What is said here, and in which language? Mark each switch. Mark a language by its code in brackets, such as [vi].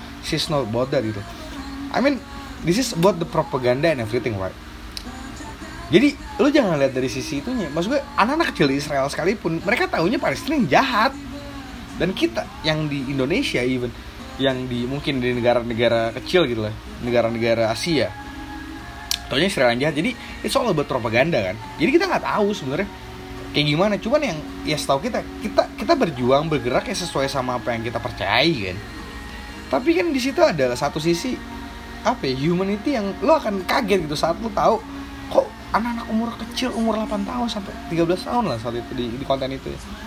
[en] She knows about that [id] gitu. [en] I mean, this is about the propaganda and everything, right? [id] Jadi, lu jangan lihat dari sisi itunya. Maksud gue, anak-anak kecil di Israel sekalipun, mereka taunya Palestina yang jahat. Dan kita, yang di Indonesia [en] even, [id] yang di mungkin di negara-negara kecil gitu lah, negara-negara Asia, taunya Sri Lanka jahat. Jadi [en] it's all about propaganda [id] kan. Jadi kita nggak tahu sebenarnya kayak gimana. Cuman yang ya setahu kita berjuang bergerak ya sesuai sama apa yang kita percayai kan. Tapi kan di situ ada satu sisi apa ya, humanity yang lo akan kaget gitu saat lo tahu kok anak-anak umur kecil umur 8 tahun sampai 13 tahun lah saat itu di konten itu ya.